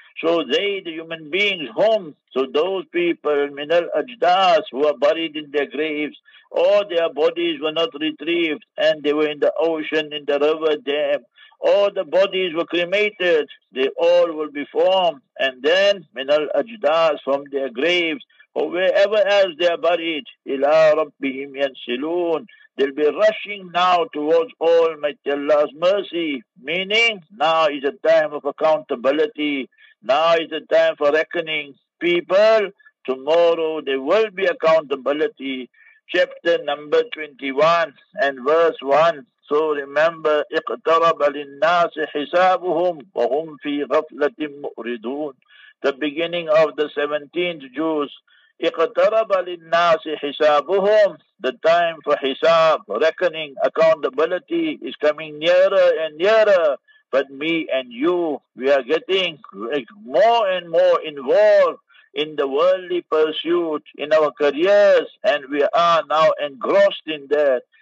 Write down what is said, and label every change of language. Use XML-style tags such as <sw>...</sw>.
<en>so they, the human beings, whom, so those people,</en> <ar>مِنَ الْأَجْدَاثِ,</ar> <en>who are buried in their graves, all their bodies were not retrieved, and they were in the ocean, in the river, there, all the bodies were cremated, they all will be formed, and then min al ajdas, from their graves or wherever else they are buried,</en> <ar>ila rabbihim yansilun,</ar> <en>they'll be rushing now towards Almighty Allah's mercy. Meaning, now is a time of accountability, now is a time for reckoning. People, tomorrow there will be accountability. Chapter number 21 and verse 1. So remember,</en> <ar>اقترب للناس حسابهم وهم في غفلة مؤردون.</ar> <en>The beginning of the 17th Jews.</en> <ar>اقترب للناس حسابهم.</ar> <en>The time for hisab, reckoning, accountability is coming nearer and nearer. But me and you, we are getting more and more involved in the worldly pursuit, in our careers, and we are now engrossed in that.</en>